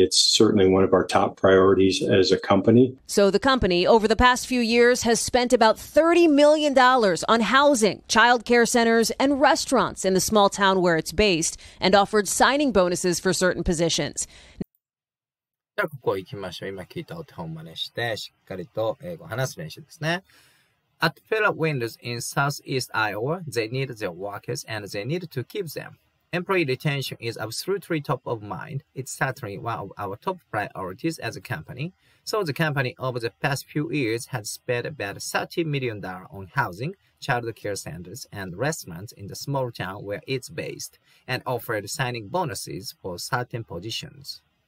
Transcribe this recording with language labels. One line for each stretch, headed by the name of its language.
English: It's certainly one of our top priorities as a company. So the company, over the past few years, has spent about $30 million on housing, child care centers, and restaurants in the small town where it's based, and offered signing bonuses for certain positions.
Japanese: じゃあここ行きましょう。今聞いた音を真似して、しっかりと英語を話す練習ですね。
English: At Pella Windows in Southeast Iowa, they need their workers and they need to keep them. Employee retention is absolutely top of mind. It's certainly one of our top priorities as a company. So the company over the past few years has spent about $30 million on housing, child care centers, and restaurants in the small town where it's based, and offered signing bonuses for certain positions.